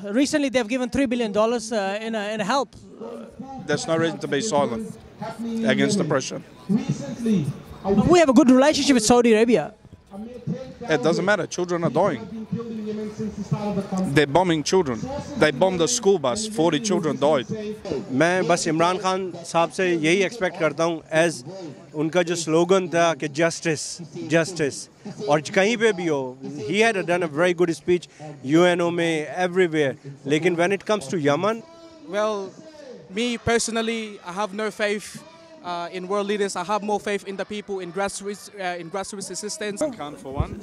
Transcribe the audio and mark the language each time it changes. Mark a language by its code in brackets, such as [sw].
[en] Recently, they've given $3 billion in help. There's no reason to be silent against oppression. We have a good relationship with Saudi Arabia. It doesn't matter. Children are dying. They're bombing children. They bombed a school bus. 40 children died. [hi] मैं बस इमरान खान साहब से यही expect करता हूँ as उनका जो slogan था कि justice, justice. और कहीं पे भी हो, [en] he had done a very good speech, UNO में everywhere. [hi] लेकिन [en] when it comes to Yemen, well, me personally, I have no faith. In world leaders, I have more faith in the people in grassroots assistance. Oh. Can't for one.